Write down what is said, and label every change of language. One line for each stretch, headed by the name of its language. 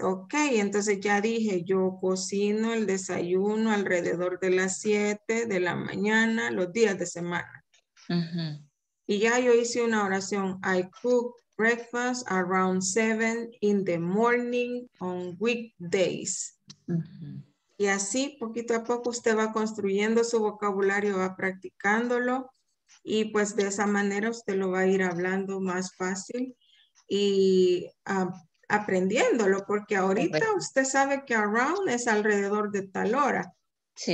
Spanish: Ok, entonces ya dije, yo cocino el desayuno alrededor de las 7 de la mañana los días de semana. Y ya yo hice una oración.
English: I cook breakfast around 7 in the morning on weekdays.
Spanish: Y así poquito a poco usted va construyendo su vocabulario, va practicándolo. Y pues de esa manera usted lo va a ir hablando más fácil y aprendiéndolo. Porque ahorita usted sabe que around es alrededor de tal hora. Sí.